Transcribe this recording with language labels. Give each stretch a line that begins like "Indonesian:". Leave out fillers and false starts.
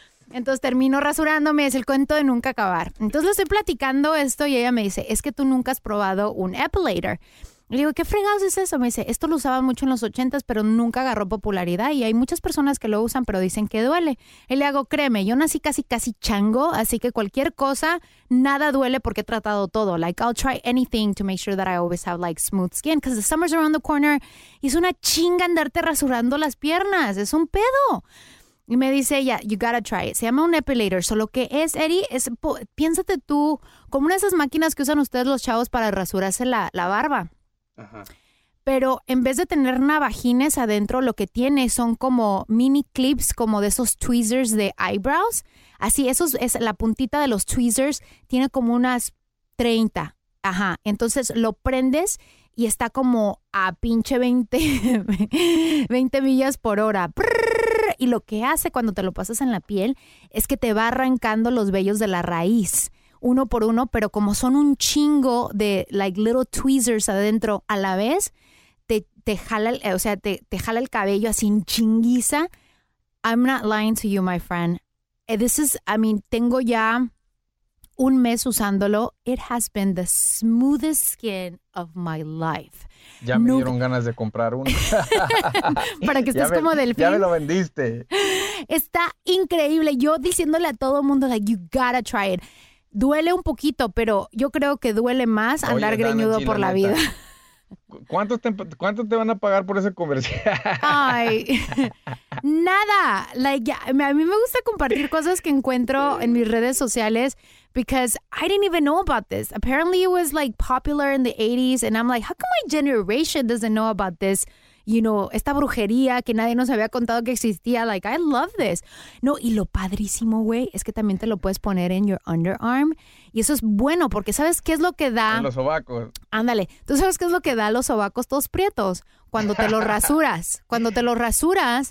Spanish: Entonces termino rasurándome, es el cuento de nunca acabar. Entonces le estoy platicando esto y ella me dice, es que tú nunca has probado un epilator. Y le digo, ¿qué fregados es eso? Me dice, esto lo usaban mucho en los 80s, pero nunca agarró popularidad y hay muchas personas que lo usan, pero dicen que duele. Y le hago, créeme, yo nací casi casi chango, así que cualquier cosa, nada duele porque he tratado todo.
English: Like, I'll try anything to make sure that I always have like smooth skin, because the summer's around the corner.
Spanish: Y es una chinga andarte rasurando las piernas, es un pedo. Y me dice ella,
English: you gotta try it.
Spanish: Se llama un epilator. So, lo que es, Eddie, es, piénsate tú, como una de esas máquinas que usan ustedes los chavos para rasurarse la barba. Ajá. Pero en vez de tener navajines adentro, lo que tiene son como mini clips, como de esos tweezers de eyebrows. Así, eso es la puntita de los tweezers, tiene como unas 30. Ajá. Entonces, lo prendes y está como a pinche 20, 20 millas por hora. Y lo que hace cuando te lo pasas en la piel es que te va arrancando los vellos de la raíz, uno por uno, pero como son un chingo de
English: like little tweezers
Spanish: adentro a la vez, te jala el cabello así en chinguiza.
English: I'm not lying to you, my friend. This is, I mean,
Spanish: tengo ya un mes usándolo.
English: It has been the smoothest skin of my life.
Spanish: Ya me dieron ganas de comprar uno. Para que estés como delfín. Ya me lo vendiste. Está increíble. Yo diciéndole a todo mundo, like,
English: you gotta try it.
Spanish: Duele un poquito, pero yo creo que duele más andar greñudo por la vida. ¿Cuánto te van a pagar por ese comercial? Ay, nada. Like, a mí me gusta compartir cosas que encuentro en mis redes sociales
English: because I didn't even know about this. Apparently it was like popular in the 80s and I'm like, how come my generation doesn't know about this? You know,
Spanish: esta brujería que nadie nos había contado que existía.
English: Like, I love this.
Spanish: No, y lo padrísimo, güey, es que también te lo puedes poner en
English: your underarm.
Spanish: Y eso es bueno, porque ¿sabes qué es lo que da? En los sobacos. Ándale. ¿Tú sabes qué es lo que da los sobacos todos prietos? Cuando te los rasuras. Cuando te los rasuras.